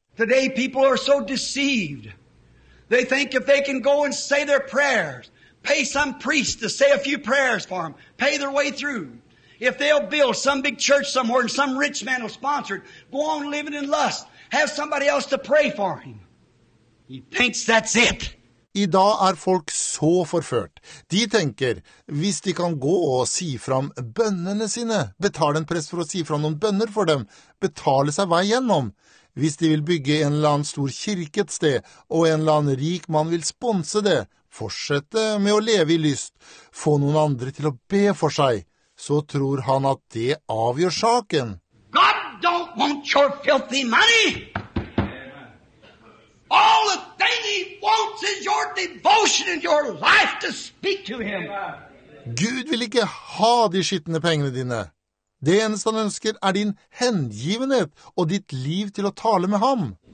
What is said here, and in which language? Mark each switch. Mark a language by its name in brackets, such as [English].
[English] Today people are so deceived. They think if they can go and say their prayers, pay some priest to say a few prayers for them, pay their way through. If they'll build some big church somewhere and some rich man will sponsor it, go on living in lust, have somebody else to pray for him. He thinks that's it. [Norwegian] I dag folk så forført. De tenker, hvis de kan gå og si fram bønnene sine, betale en prest for å si fram noen bønner for dem, betale seg vei gjennom. Hvis de vil bygge en eller annen stor kirke et sted, og en eller annen rik man vil sponse det, fortsette med å leve I lyst, få noen andre til å be for seg, så tror han at det avgjør saken. [English] God don't want your filthy money. All the thing he wants is your devotion and your life to speak to him. [Norwegian] Gud vil ikke ha de skittende pengene dine. Det eneste han ønsker din hengivenhet og ditt liv til å tale med ham.